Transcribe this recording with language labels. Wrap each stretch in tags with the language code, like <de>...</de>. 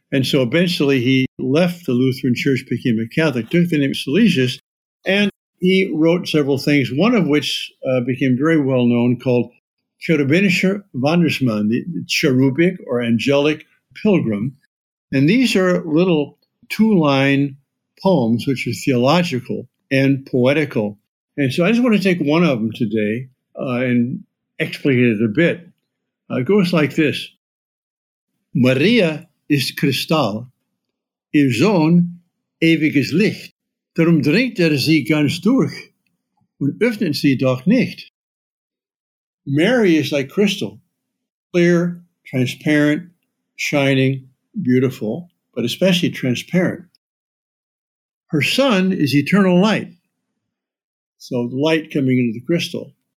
<en>And so eventually he left the Lutheran church, became a Catholic, took the name Silesius, and he wrote several things, one of which became very well known, called Cherubinischer Wandersmann, the cherubic or angelic pilgrim. And these are little two-line poems, which are theological and poetical. And so I just want to take one of them today and explicate it a bit. It goes like this.</en> <de>Maria ist Kristall, ihr Sohn ewiges Licht. Darum dringt sie ganz durch und öffnet sie doch nicht.</de> <en>Mary is like crystal, clear, transparent, shining, beautiful, but especially transparent. Her son is eternal light, so light coming into the crystal.</en>